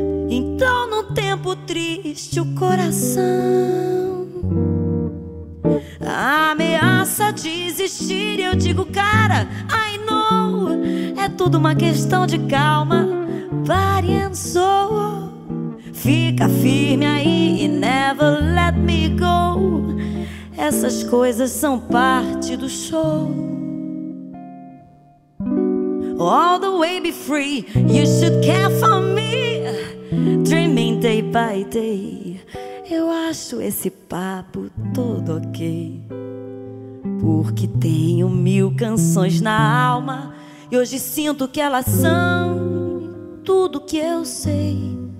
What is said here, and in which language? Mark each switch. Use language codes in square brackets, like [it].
[pt] Então num tempo triste o coração ameaça desistir e eu digo, cara, [en] I know, [pt] é tudo uma questão de calma. [en] Body and soul, [pt] fica firme aí e [en] never let me go. [pt] Essas coisas são parte do show. [en] All the way be free, you should care for me. Dreaming day by day, [pt] eu acho esse papo todo ok, porque tenho mil canções na alma e hoje sinto que elas são tudo que eu sei.